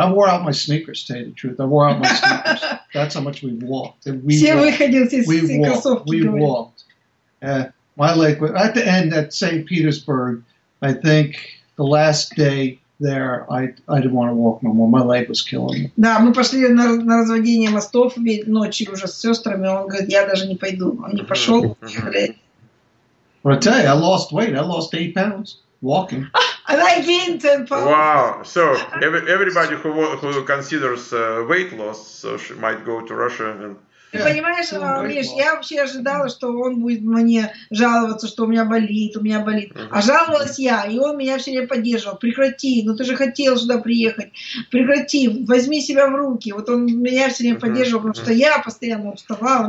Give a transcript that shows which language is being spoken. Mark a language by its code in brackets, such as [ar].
[en] I wore out my sneakers, to tell you the truth. That's how much we walked. We walked. My leg was at the end at St. Petersburg. I think the last day there, I didn't want to walk no more. My leg was killing me. [ru] Да, мы пошли на разведение мостов ночью уже с сестрами. Он говорит, я даже не пойду. Он не пошел. [en] Well, I tell you, I lost weight. I lost 8 pounds walking. And I gained 10 pounds. Wow. So everybody who considers weight loss might go to Russia and... [ru] Ты понимаешь, Миш, я вообще ожидала, что он будет мне жаловаться, что у меня болит. Uh-huh. А жаловалась я, и он меня все время поддерживал. Прекрати, ну ты же хотел сюда приехать. Прекрати, возьми себя в руки. Вот он меня все время поддерживал, потому что я постоянно уставала.